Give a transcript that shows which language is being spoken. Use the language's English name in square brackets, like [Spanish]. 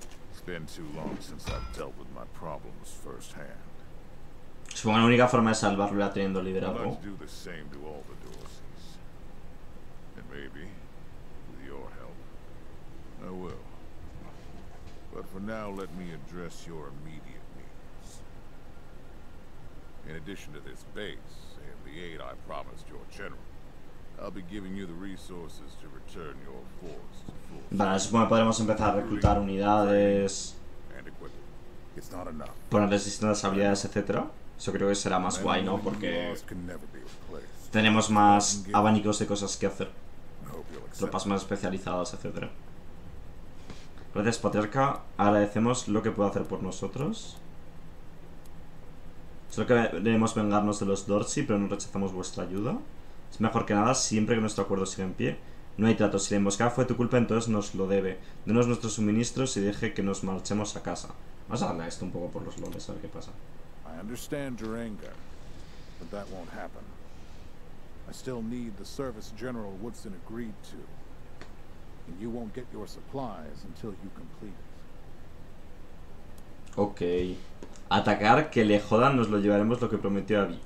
[English] It's been too long since I've dealt with my problems firsthand. [Spanish] Supongo que la única forma de salvarlo era teniendo liderazgo. [English] I'd like to do the same to all the Dorseys. And maybe with your help. I will. But for now, let me address your immediate needs. In addition to this base and the aid I promised your general, I'll be giving you the resources to return your force to full. [Spanish] Vale, supongo que podremos empezar a reclutar unidades. [English] It's not enough. [Spanish] Ponerles distintas habilidades, etc. Eso creo que será más guay, ¿no? Porque tenemos más abanicos de cosas que hacer. Tropas más especializadas, etc. Gracias, Patriarca. Agradecemos lo que puede hacer por nosotros. Solo queremos vengarnos de los Dorsey, pero no rechazamos vuestra ayuda. Es mejor que nada, siempre que nuestro acuerdo siga en pie. No hay trato. Si la emboscada fue tu culpa, entonces nos lo debe. Denos nuestros suministros y deje que nos marchemos a casa. Vamos a darle a esto un poco por los lores, a ver qué pasa. [English] I understand your anger, but that won't happen. I still need the service General Woodson agreed to. And you won't get your supplies until you complete it. Ok. [Spanish] Atacar, que le jodan, nos lo llevaremos lo que prometió Abby.